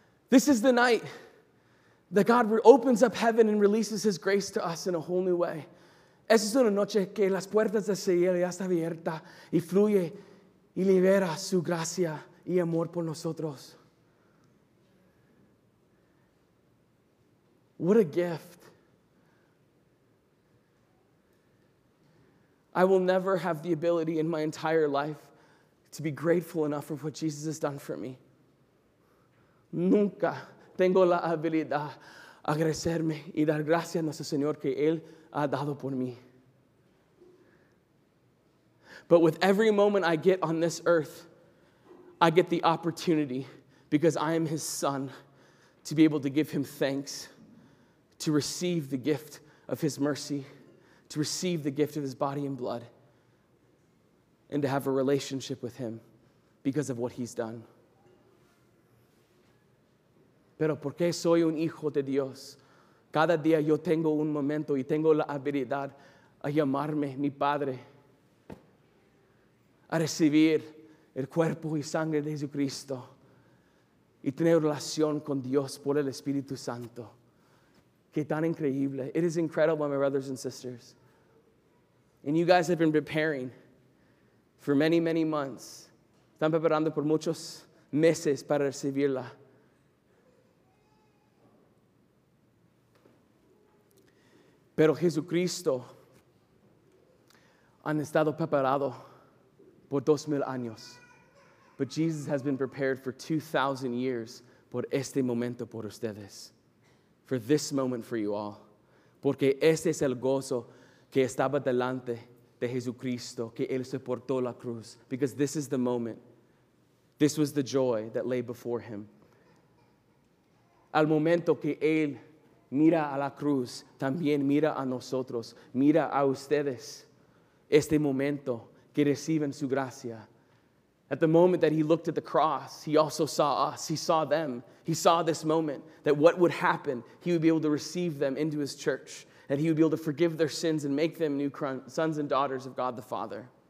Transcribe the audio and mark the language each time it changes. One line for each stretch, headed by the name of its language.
English: This is the night that God opens up heaven and releases His grace to us in a whole new way.
Spanish: Esa es una noche que las puertas del cielo ya están abiertas y fluye y libera su gracia y amor por nosotros.
English: What a gift. I will never have the ability in my entire life to be grateful enough for what Jesus has done for me.
Spanish: Nunca tengo la habilidad agradecerme y dar gracias a nuestro Señor que Él ha dado por mí.
English: But with every moment I get on this earth, I get the opportunity, because I am His son, to be able to give Him thanks, to receive the gift of His mercy, to receive the gift of His body and blood, and to have a relationship with Him because of what He's done.
Spanish: Pero porque soy un hijo de Dios, cada día yo tengo un momento y tengo la habilidad a llamarme mi padre, a recibir el cuerpo y sangre de Jesucristo y tener relación con Dios por el Espíritu Santo. Qué tan increíble.
English: It is incredible, my brothers and sisters. And you guys have been preparing for many, many months.
Spanish: Están preparando por muchos meses para recibirla. Pero Jesucristo han estado preparado por 2,000 años.
English: But Jesus has been prepared for 2,000 years
Spanish: por este momento por ustedes.
English: For this moment for you all.
Spanish: Porque este es el gozo que estaba delante de Jesucristo, que Él soportó la cruz.
English: Because this is the moment. This was the joy that lay before Him.
Spanish: Al momento que Él mira a la cruz, también mira a nosotros, mira a ustedes. Este momento que reciben su gracia.
English: At the moment that He looked at the cross, He also saw us, He saw them. He saw this moment, that what would happen, He would be able to receive them into His church, that He would be able to forgive their sins and make them new sons and daughters of God the Father.